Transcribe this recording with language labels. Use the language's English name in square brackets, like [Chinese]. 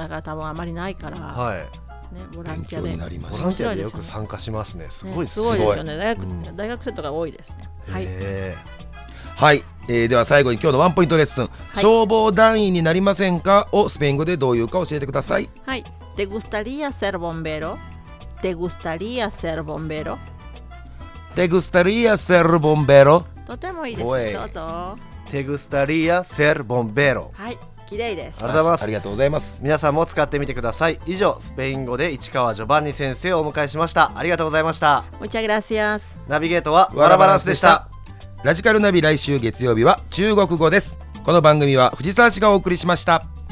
[Japanese] だから多分あまりないから。はい。ね、ボランティアで。勉強になりました。ボランティアでよく参加しますね。すごいすごい。ですよね。大学生とか多いですね。はい。はい、では最後に今日のワンポイントレッスン、はい、消防団員になりませんかをスペイン語でどういうか教えてください。はい。 [Spanish] ¿Te gustaría ser bombero? ¿Te gustaría ser bombero? ¿Te gustaría ser bombero? [Japanese] とてもいいですね、どうぞ。 [Spanish] ¿Te gustaría ser bombero? [Japanese] はい、綺麗です。ありがとうございます。ありがとうございます。皆さんも使ってみてください。以上、スペイン語で市川ジョバンニ先生をお迎えしました。ありがとうございました。 [Spanish] Muchas gracias。 [Japanese] ナビゲートはワラバランスでした。ラジカルナビ、来週月曜日は中国語です。この番組は藤沢市がお送りしました。